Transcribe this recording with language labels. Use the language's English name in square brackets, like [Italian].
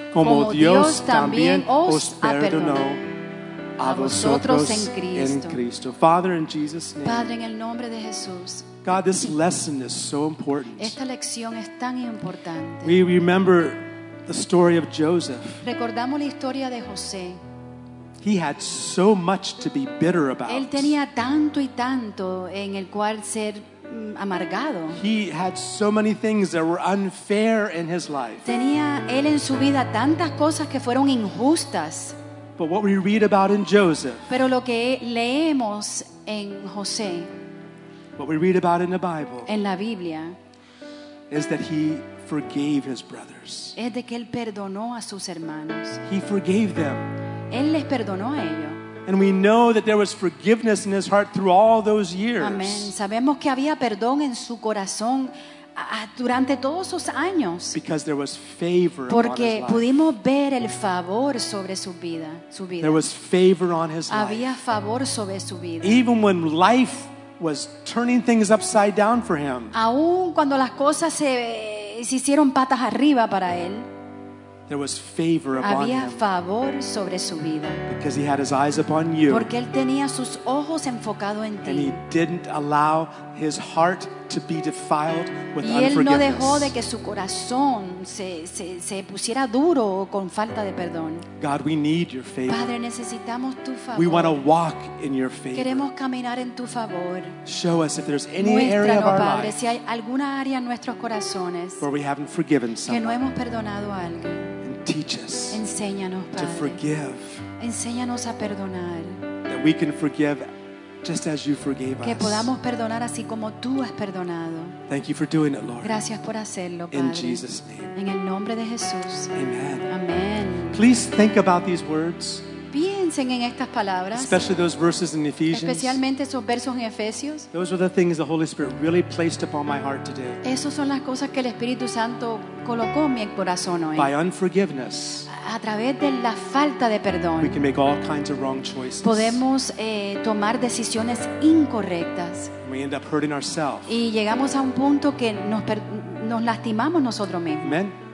[Spanish] Como Dios también os perdonó. A vosotros en Cristo. [English] Father, in Jesus' name. [Spanish] Padre, en el nombre de Jesús. [English] God, this lesson is so important. [Spanish] Esta lección es tan importante. [English] We remember the story of Joseph. [Spanish] Recordamos la historia de José. [English] He had so much to be bitter about. [Spanish] Él tenía tanto y tanto en el cual ser amargado. [English] He had so many things that were unfair in his life. [Spanish] Tenía él en su vida tantas cosas que fueron injustas. [English] But what we read about in Joseph. [Spanish] Pero lo que leemos en José. [English] What we read about in the Bible. [Spanish] En la Biblia. [English] Is that he forgave his brothers. [Spanish] Es de que él perdonó a sus hermanos. [English] He forgave them. [Spanish] Él les perdonó a ellos. [English] And we know that there was forgiveness in his heart through all those years. [Spanish] Amén. Sabemos que había perdón en su corazón durante todos esos años. [English] Because there was favor [Spanish] Porque pudimos ver el favor sobre su vida, su vida. [English] There was favor on his life. [Spanish] Había favor sobre su vida. [English] Even when life was turning things upside down for him. [Spanish] Aún cuando las cosas se hicieron patas arriba para él. [English] There was favor upon [Spanish] Había favor sobre su vida. [English] Because he had his eyes upon you. [Spanish] Porque él tenía sus ojos enfocado en ti. [English] And he didn't allow his heart to be defiled with unforgiveness. [Spanish] Y él no dejó de que su corazón se pusiera duro con falta de perdón. [English] God, we need your favor. [Spanish] Padre, necesitamos tu favor. [English] We want to walk in your favor. [Spanish] Queremos caminar en tu favor. [English] Show us if there's any area of our [Spanish] Padre, [English] life [Spanish] si hay alguna área en nuestros corazones [English] where we haven't forgiven someone. [Spanish] Que no hemos perdonado a alguien. [English] Teach us [Spanish] Enséñanos, [English] to forgive. [Spanish] Enséñanos a perdonar. [English] That we can forgive just as you forgave [Spanish] que [English] us. [Spanish] Que podamos perdonar así como tú has perdonado. [English] Thank you for doing it, Lord. [Spanish] Gracias por hacerlo, Padre. [English] In Jesus' name. [Spanish] En el nombre de Jesús. [English] Amen. [Spanish] Amen. [English] Please think about these words. [Spanish] Piensen en estas palabras. [English] Especially those verses in Ephesians. [Spanish] Especialmente esos versos en Efesios. [English] Those are the things the Holy Spirit really placed upon my heart today. [Spanish] Esos son las cosas que el Espíritu Santo colocó en mi corazón hoy. [English] By unforgiveness. [Spanish] A través de la falta de perdón. [English] We can make all kinds of wrong choices. [Spanish] Podemos tomar decisiones incorrectas. [English] We end up hurting ourselves. [Spanish] Y llegamos a un punto que nos lastimamos nosotros mismos.